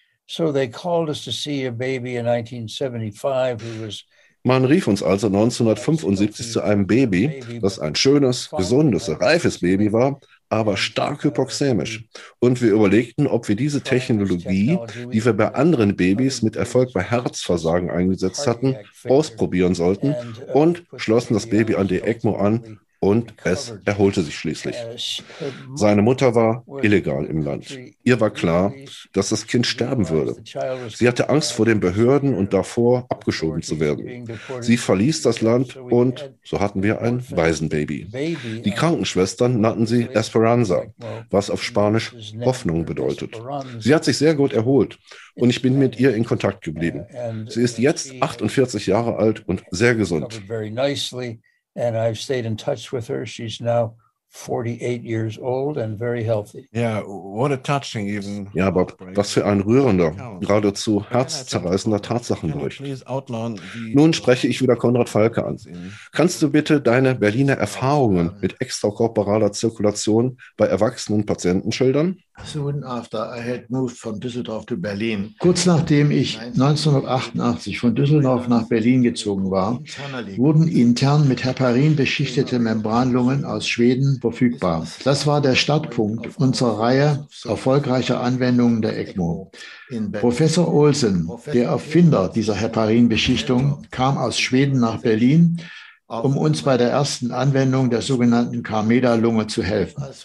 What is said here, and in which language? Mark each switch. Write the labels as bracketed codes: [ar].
[en] So they called us to see a baby in 1975 who was. [de] Man rief uns also 1975 zu einem Baby, das ein schönes, gesundes, reifes Baby war, aber stark hypoxämisch. Und wir überlegten, ob wir diese Technologie, die wir bei anderen Babys mit Erfolg bei Herzversagen eingesetzt hatten, ausprobieren sollten und schlossen das Baby an die ECMO an und es erholte sich schließlich. Seine Mutter war illegal im Land. Ihr war klar, dass das Kind sterben würde. Sie hatte Angst vor den Behörden und davor, abgeschoben zu werden. Sie verließ das Land und so hatten wir ein Waisenbaby. Die Krankenschwestern nannten sie Esperanza, was auf Spanisch Hoffnung bedeutet. Sie hat sich sehr gut erholt und ich bin mit ihr in Kontakt geblieben. Sie ist jetzt 48 Jahre alt und sehr gesund. [en] And I've stayed in touch with her. She's now 48 years old and very healthy. Yeah, what a touching even. [de] Ja, aber was für ein rührender, geradezu herzzerreißender Tatsachenbericht. Nun spreche ich wieder Konrad Falke an. Kannst du bitte deine Berliner Erfahrungen mit extrakorporaler Zirkulation bei erwachsenen Patienten schildern? [en] Soon after I had moved from Düsseldorf to Berlin. [de] Kurz nachdem ich 1988 von Düsseldorf nach Berlin gezogen war, wurden intern mit Heparin beschichtete Membranlungen aus Schweden verfügbar. Das war der Startpunkt unserer Reihe erfolgreicher Anwendungen der ECMO. Professor Olsen, der Erfinder dieser Heparinbeschichtung, kam aus Schweden nach Berlin, um uns bei der ersten Anwendung der sogenannten Carmeda-Lunge zu helfen.